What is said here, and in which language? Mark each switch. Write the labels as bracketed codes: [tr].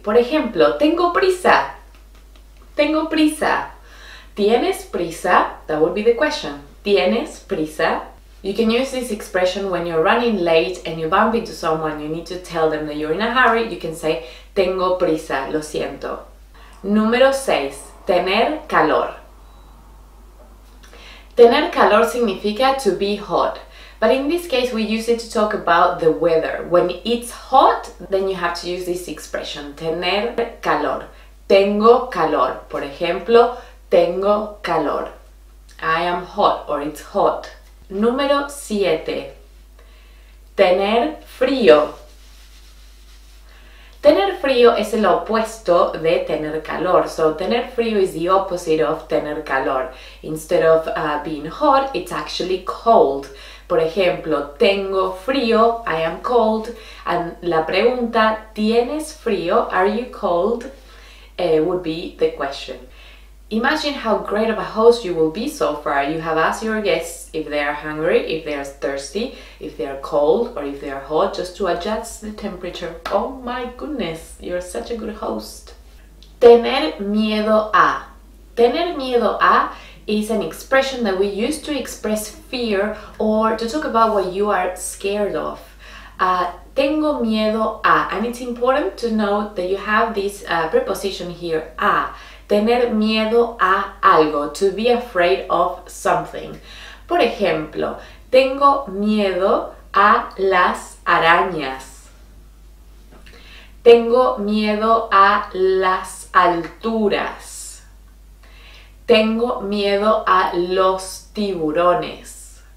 [es] Por ejemplo, tengo prisa. Tengo prisa. ¿Tienes prisa? [en] That would be the question. [es] ¿Tienes prisa? [en] You can use this expression when you're running late and you bump into someone, you need to tell them that you're in a hurry, you can say, [es] tengo prisa, lo siento. Número 6. Tener calor. Tener calor significa [en] to be hot. But in this case, we use it to talk about the weather. When it's hot, then you have to use this expression, tener calor. [es] Tengo calor. Por ejemplo, tengo calor. [en] I am hot, or it's hot. [es] Número 7. Tener frío. frío es el opuesto de tener calor. [en] So, tener frío is the opposite of tener calor. Instead of being hot, it's actually cold. [es] Por ejemplo, tengo frío, [en] I am cold. [es] And la pregunta, ¿tienes frío? [en] Are you cold? Would be the question. Imagine how great of a host you will be so far. You have asked your guests if they are hungry, if they are thirsty, if they are cold, or if they are hot, just to adjust the temperature. Oh my goodness, you're such a good host. [es] Tener miedo a. [en] Tener miedo a is an expression that we use to express fear or to talk about what you are scared of. [es] Tengo miedo a. [en] And it's important to note that you have this preposition here, a. [es] Tener miedo a algo, [en] to be afraid of something. [es] Por ejemplo, tengo miedo a las arañas. Tengo miedo a las alturas. Tengo miedo a los tiburones.